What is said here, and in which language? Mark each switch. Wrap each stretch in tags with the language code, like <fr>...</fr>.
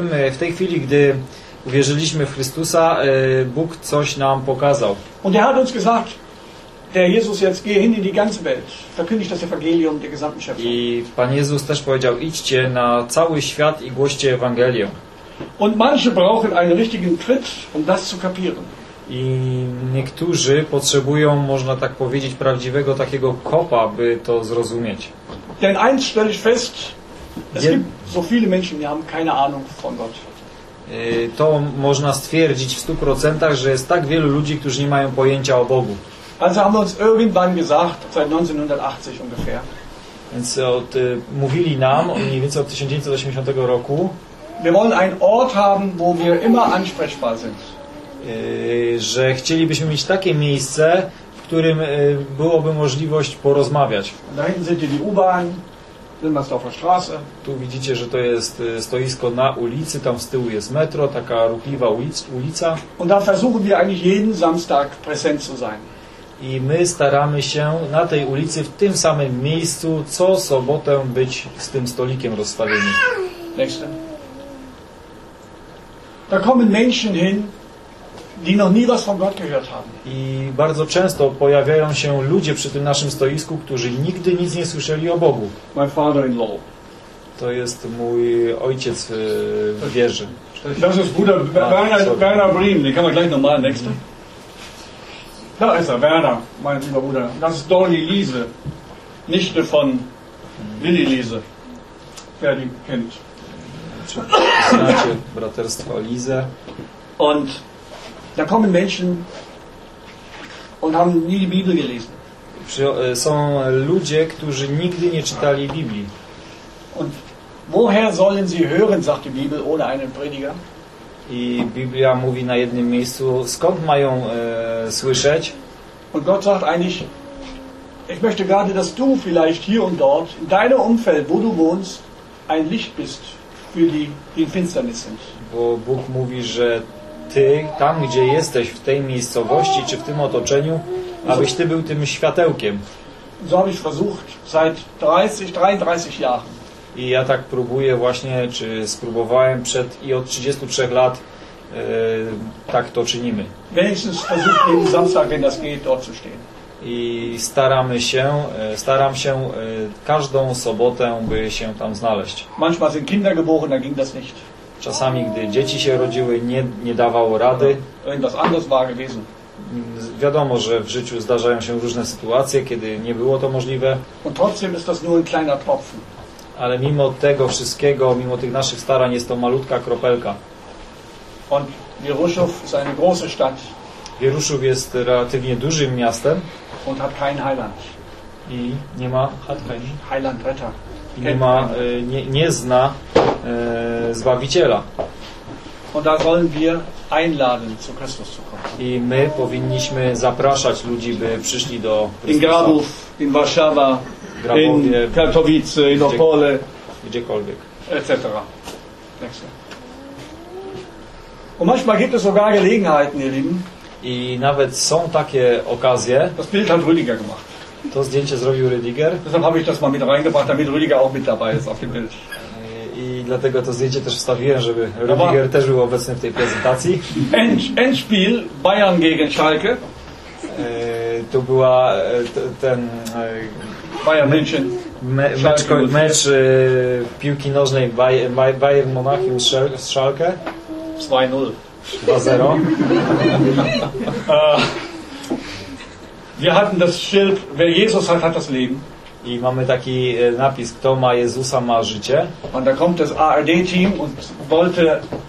<pl>W tej chwili, gdy uwierzyliśmy w Chrystusa, Bóg coś nam pokazał.</pl> <de>Und er hat uns gesagt, Herr Jesus, jetzt geh hin in die ganze Welt. Verkündigt das Evangelium der gesamten Schöpfung.</de> <pl>I Pan Jezus też powiedział, idźcie na cały świat i głoście Ewangelię.</pl> <de>Und manche brauchen einen richtigen Tritt, um das zu kapieren.</de> <pl>I niektórzy potrzebują, można tak powiedzieć, prawdziwego takiego kopa, by to zrozumieć.</pl> <de>Denn eins stelle ich fest, es gibt so viele Menschen, die haben keine Ahnung von Gott.</de> <pl>To można stwierdzić w 100%, że jest tak wielu ludzi, którzy nie mają pojęcia o Bogu.</pl> <de>Also haben wir uns irgendwann gesagt, seit 1980 ungefähr.</de> <pl>Więc mówili nam mniej więcej od 1980 roku.</pl> <de>Wir wollen einen Ort haben, wo wir immer ansprechbar sind.</de> <pl>Że chcielibyśmy mieć takie miejsce, w którym byłoby możliwość porozmawiać.</pl> <de>Da hinten seht ihr die U-Bahn, Wilmersdorfer Straße.</de> <pl>Tu widzicie, że to jest stoisko na ulicy, tam z tyłu jest metro, taka ruchliwa ulica.</pl> <de>Und da versuchen wir eigentlich jeden Samstag präsent zu sein.</de> <pl>I my staramy się na tej ulicy, w tym samym miejscu, co sobotę być z tym stolikiem rozstawionym.</pl> <de>Nächste. Da kommen Menschen hin, die noch nie was von Gott gehört haben.</de> <pl>I bardzo często pojawiają się ludzie przy tym naszym stoisku, którzy nigdy nic nie słyszeli o Bogu.</pl> <en>My father-in-law.</en> <pl>To jest mój ojciec w wierze.</pl> <de>Das ist Bruder Werner Brim. Den kann man gleich nochmal. Nächste. Da ist er, Werner, mein lieber Bruder. Das ist Dolly Liese, Nichte von Willi Liese. Wer die kennt.</de> <pl>Znacie braterstwo Liese.</pl> <de>Und da kommen Menschen und haben nie die Bibel gelesen.</de> <pl>Są ludzie, którzy nigdy nie czytali Biblii.</pl> <de>Und woher sollen sie hören, sagt die Bibel, ohne einen Prediger?</de> <pl>I Biblia mówi na jednym miejscu, skąd mają słyszeć?</pl> <de>Und Gott sagt eigentlich, ich möchte gerade, dass du vielleicht hier und dort, in deinem Umfeld, wo du wohnst, ein Licht bist für die, die in Finsternis sind.</de> <pl>Bo Bóg mówi, że ty, tam gdzie jesteś, w tej miejscowości, czy w tym otoczeniu, abyś ty był tym światełkiem.</pl> <de>So habe ich versucht, seit 33 Jahren.</de> <pl>I ja tak próbuję właśnie, czy spróbowałem przed i od 33 lat tak to czynimy.</pl> <de>Wenigstens versuchen, jeden Samstag, wenn das geht, dort zu stehen.</de> <pl>i staramy się, staram się każdą sobotę, by się tam znaleźć.</pl> <de>Manchmal sind Kinder geboren, da ging das nicht.</de> <pl>Czasami, gdy dzieci się rodziły, nie dawało rady.</pl> <de>Irgendwas anders war gewesen.</de> <pl>Wiadomo, że w życiu zdarzają się różne sytuacje, kiedy nie było to możliwe.</pl> <de>Und trotzdem ist das nur ein kleiner Tropfen.</de> <pl>Ale mimo tego wszystkiego, mimo tych naszych starań, jest to malutka kropelka.</pl> <de>Und Wieruszów ist eine große Stadt.</de> <pl>Wieruszów jest relatywnie dużym miastem.</pl> <de>Und hat kein Heiland.</de> <pl>I nie ma</pl> <de>Heilandretter.</de> <pl>Nie ma, nie zna Zbawiciela.</pl> <de>Und da sollen wir einladen zu Christus zu kommen.</de> <pl>I my powinniśmy zapraszać ludzi, by przyszli do Chrystusa.</pl> <de>In Grabów, in Warszawa, in Katowice, in Opole,</de> <pl>gdziekolwiek, etc.</pl> <de>Und manchmal gibt es sogar Gelegenheiten, ihr Lieben.</de> <pl>I nawet są takie okazje.</pl> <de>Das Bild hat Rüdiger gemacht.</de> <pl>To zdjęcie zrobił Rüdiger.</pl> <de>Deshalb habe ich das mal mit reingebracht, damit Rüdiger auch mit dabei ist auf dem Bild.</de> <pl>I dlatego to zdjęcie też wstawiłem, żeby Rüdiger też był obecny w tej prezentacji.</pl> <de>Endspiel Bayern gegen Schalke.</de> <pl>To była ten Bayern München. Mecz piłki nożnej Bayern Monachium z Schalke. 2-0. 2-0.</pl> <de>Wir hatten das Schild, wer Jesus hat, hat das Leben.</de> <pl>I mamy taki napis, kto ma Jezusa, ma życie.</pl> <de>Und da kommt das ARD-Team und wollte</de>